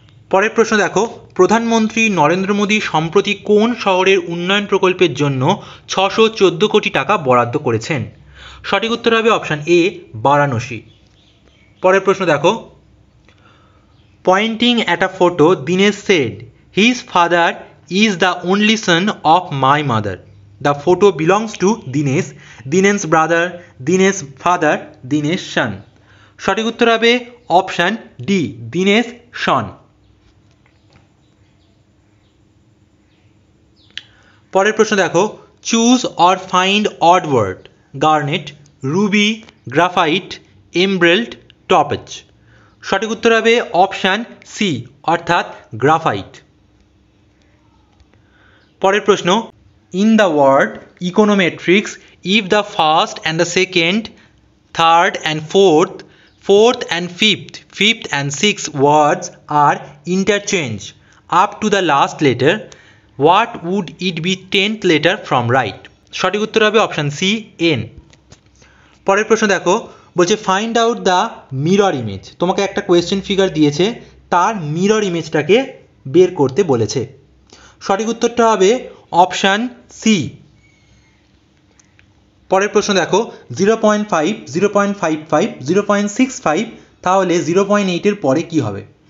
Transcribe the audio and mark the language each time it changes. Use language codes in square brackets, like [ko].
[bn] পরের প্রশ্ন দেখো, প্রধানমন্ত্রী নরেন্দ্র মোদী সম্প্রতি কোন শহরের উন্নয়ন প্রকল্পের জন্য 614 কোটি টাকা বরাদ্দ করেছেন? সঠিক উত্তর হবে অপশান এ, বারাণসী। পরের প্রশ্ন দেখো, [en] Pointing at a photo, Dinesh said, "His father is the only son of my mother." The photo belongs to Dinesh, Dinesh's brother, Dinesh's father, Dinesh's son. [bn] সঠিক উত্তর হবে অপশন ডি, দিনেশ শন। পরের প্রশ্ন দেখো, [en] Choose or find odd word, garnet, ruby, graphite, emerald, topaz. [bn] সঠিক উত্তর হবে option C অর্থাৎ গ্রাফাইট। পরের প্রশ্ন, [en] In the word econometrics, if the first and the second, third and fourth, fourth and fifth, fifth and sixth words are interchanged up to the last letter, what would it be tenth letter from right? [bn] সঠিক উত্তর হবে option C N. পরের প্রশ্ন দেখো, বলছে [en] find out the mirror image, [bn] তোমাকে একটা question figure দিয়েছে, তার মিরর ইমেজটাকে বের করতে বলেছে। সঠিক উত্তরটা হবে অপশন সি। পরের প্রশ্ন দেখো, 0.5, 0.55, 0.65, তাহলে 0.8 এর পরে কি হবে?